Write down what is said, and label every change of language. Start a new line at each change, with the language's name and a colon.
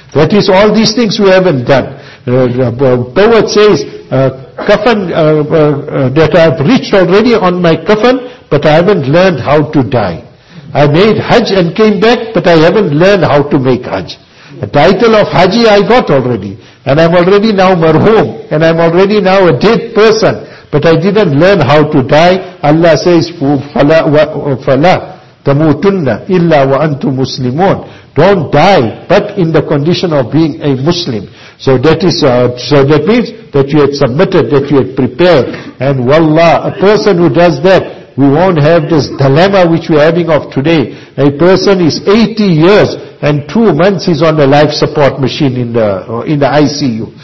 English: That is all these things we haven't done. Poet says, kafan that I've reached already on my kafan, but I haven't learned how to die. I made hajj and came back, but I haven't learned how to make hajj. the title of Haji I got already, and I'm already now marhum, and I'm already now a dead person, but I didn't learn how to die. Allah says,
Arabic: فَلَا تَمُوتُنَّ إِلَّا وَأَنْتُمْ مُسْلِمُونَ.
English: Don't die, but in the condition of being a Muslim. So that is, so that means that you had submitted, that you had prepared. And wallah, a person who does that, we won't have this dilemma which we are having of today. A person is 80 years and 2 months he's on the life support machine in the ICU.